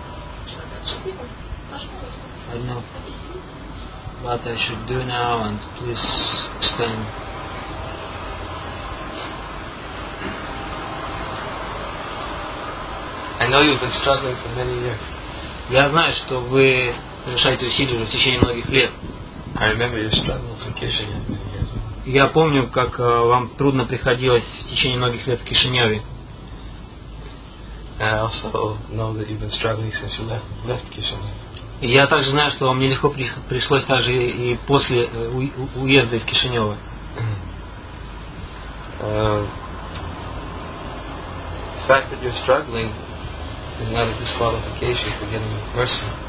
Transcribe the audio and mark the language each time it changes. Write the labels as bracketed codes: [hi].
[en] I don't know what I should do now, and please explain. I know you've been struggling for many years. [ru] Я знаю, что вы совершаете усилия уже в течение многих лет. [en] I remember your struggles in Kishinev. [ru] Я помню, как вам трудно приходилось в течение многих лет в Кишиневе. [en] I also know that you've been struggling since you left Kishinev. [ru] Я также знаю, что вам нелегко пришлось также и после уезда из Кишинева. [en] The fact that you're struggling is not a disqualification for getting mercy.